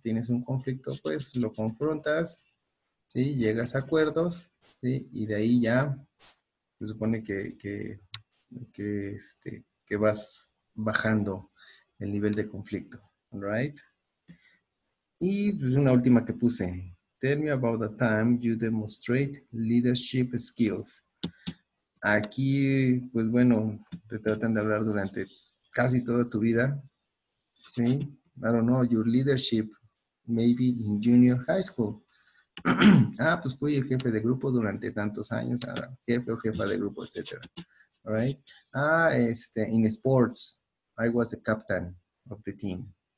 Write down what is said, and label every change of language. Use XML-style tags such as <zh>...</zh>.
<es>Tienes un conflicto, pues lo confrontas, ¿sí? Llegas a acuerdos, ¿sí? Y de ahí ya se supone que vas bajando el nivel de conflicto, ¿right? Y pues una última que puse.</es> <en>Tell me about the time you demonstrate leadership skills.</en> <es>Aquí, pues bueno, te tratan de hablar durante casi toda tu vida.</es> <en>Sí, I don't know, your leadership, maybe in junior high school.</en> <es>Ah, pues fui el jefe de grupo durante tantos años, jefe o jefa de grupo, etc.</es> <en>All right. Ah, in sports, I was the captain of the team.</en>